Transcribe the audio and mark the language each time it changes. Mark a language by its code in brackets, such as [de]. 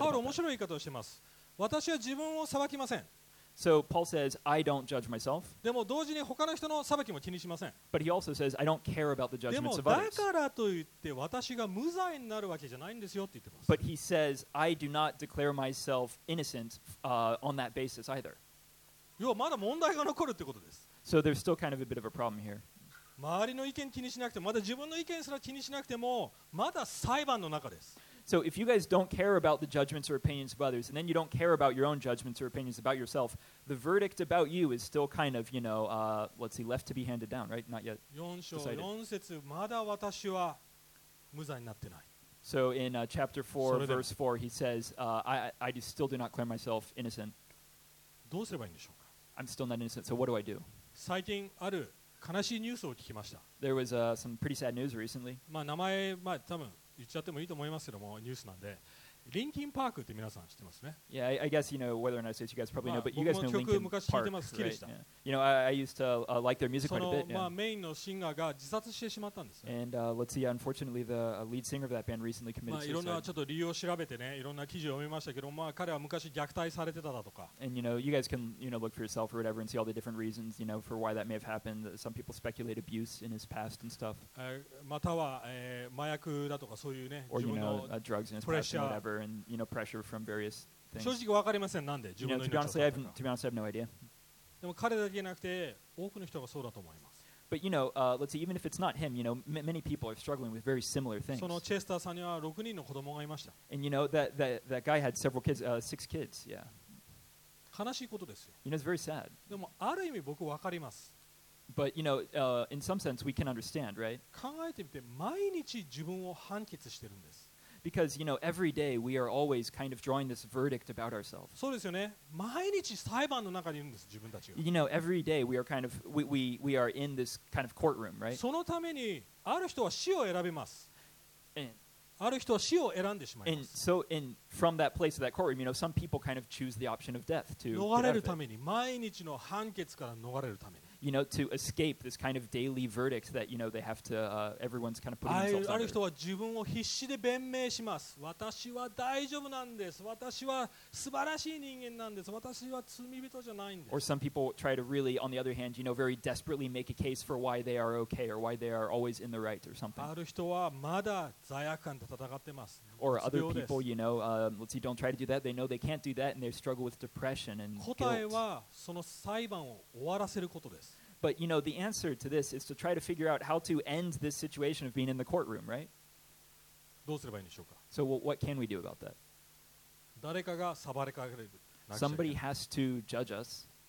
[en] that? [ja] パウロ面白い言い方をしてます。私は自分を裁きません。 [en] So Paul says, I don't judge myself. [ja] でも同時に他の人の裁きも気にしません。 [en] But he also says, I don't care about the judgments of others. [ja] でもだからといって私が無罪になるわけじゃないんですよって言ってます。 [en] But he says, I do not declare myself innocent, on that basis either. [ja] 要はまだ問題が残るってことです。 [en] So there's still kind of a bit of a problem here. [ja] 周りの意見気にしなくても、まだ自分の意見すら気にしなくても、まだ裁判の中です。 [en] So if you guys don't care about the judgments or opinions of others, and then you don't care about your own judgments or opinions about yourself, the verdict about you is still kind of, you know, let's see, left to be handed down, right? Not yet decided. [ja] 4節、まだ私は無罪になってない。 [en] So in chapter 4, verse 4, he says, I still do not declare myself innocent. [ja] どうすればいいんでしょうか? [en] I'm still not innocent, so what do I do? [ja] 最近ある悲しいニュースを聞きました。 [en] There was some pretty sad news recently. [ja] まあ名前、まあ多分言っちゃってもいいと思いますけども、ニュースなんで、リンキンパークって皆さん知ってますね。 [en] Yeah, I guess you know whether or not it's you guys probably know, but you guys know Linkin Park. [ja] 昔聞いてます、好きでした。 [en] You know, I used to like their music quite a bit. [ja] その、まあ、メインのシンガーが自殺してしまったんです。 [en] And let's see, unfortunately, the lead singer of that band recently committed suicide. [ja] いろんなちょっと理由を調べてね、いろんな記事を読みましたけど、まあ彼は昔虐待されてただとか。 [en] And you know, you guys can you know look for yourself or whatever and see all the different reasons you know for why that may have happened. Some people speculate abuse in his past and stuff. [ja] または麻薬だとかそういうね、 [en] or you know drugs in his past and whatever. And you know, pressure from various things. [ja] 正直わかりません。なんで自分の命を絶ったか。 [en] To be honest, I have no idea. [ja] でも彼だけじゃなくて多くの人がそうだと思います。 [en] But you know, let's see, even if it's not him, you know, many people are struggling with very similar things. [ja] そのチェスターさんには6人の子供がいました。 [en] And you know, that guy had several kids, six kids, yeah. [ja] 悲しいことですよ。 [en] You know, it's very sad. [ja] でもある意味僕わかります。 [en] But you know, in some sense, we can understand, right? [ja] 考えてみて毎日自分を判決してるんです。 [en] Because you know, every day we are always kind of drawing this verdict about ourselves. [ja] そうですよね。毎日裁判の中にいるんです、自分たちが。 [en] You know, every day we are kind of we are in this kind of courtroom, right? [ja] そのためにある人は死を選びます。ある人は死を選んでしまいます。 [en] And so, and from that place of that courtroom, you know, some people kind of choose the option of death to [ja] 逃れるために、毎日の判決から逃れるために。 [en] You know, to escape this kind of daily verdict that you know they have to everyone's kind of putting themselves under. [ja] ある人は自分を必死で弁明します。私は大丈夫なんです。私は素晴らしい人間なんです。私は罪人じゃないんです。 [en] Or some people try to really, on the other hand, you know, very desperately make a case for why they are okay or why they are always in the right or something. [ja] ある人はまだ罪悪感と戦ってます。 [en] Or other people, you know, let's see, don't try to do that. They know they can't do that, and they struggle with depression and guilt. [ja] 答えはその裁判を終わらせることです。 [en] But you know the answer to this is to try to figure out how to end this situation of being in the courtroom, right? [ja] どうすればいいんでしょうか? [en] So what can we do about that? [ja] 誰かが裁かれなくちゃいけない。 [en] Somebody has to judge us.